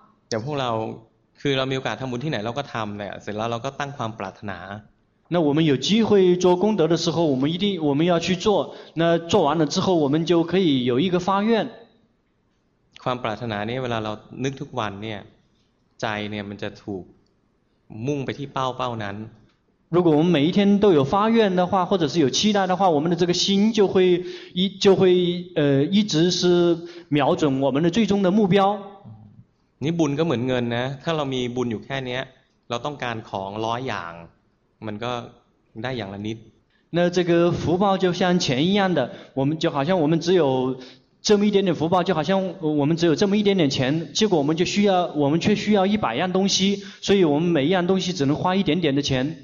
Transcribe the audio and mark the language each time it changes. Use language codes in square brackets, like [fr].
[th] แต่พวกเราคือเรามีโอกาสทำบุญที่ไหนเราก็ทำเนี่ยเสร็จแล้วเราก็ตั้งความปรารถนา [zh] 那我们有机会做功德的时候，我们要去做。那做完了之后，我们就可以有一个发愿。 [th] ความปรารถนานี้เวลาเรานึกทุกวันเนี่ยใจเนี่ยมันจะถูกมุ่งไปที่เป้านั้น [zh] 如果我们每一天都有发愿的话或者是有期待的话我们的这个心就会一直是瞄准我们的最终的目标 [th] นี่บุญก็เหมือนเงินนะถ้าเรามีบุญอยู่แค่นี้เราต้องการของร้อยอย่างมันก็ได้อย่างละนิด [zh] 那这个福报就像钱一样的我们就好像我们只有这么一点点福报，就好像我们只有这么一点点钱，结果我们却需要一百样东西，所以我们每一样东西只能花一点点的钱。